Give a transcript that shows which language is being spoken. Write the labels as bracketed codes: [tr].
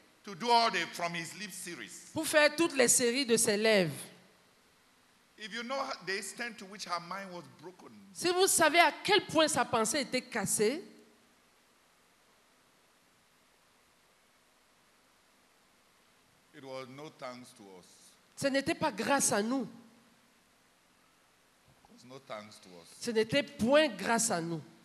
[en] To do all the From His Lips series. [fr] Pour faire toutes les séries de ses lèvres. [en] If you know the extent to which her mind was broken. [fr] Si vous savez à quel point sa pensée était cassée. [en] It was no thanks to us. [fr] Ce n'était pas grâce à nous. [en] It was no thanks to us. [fr] Ce n'était point grâce à nous.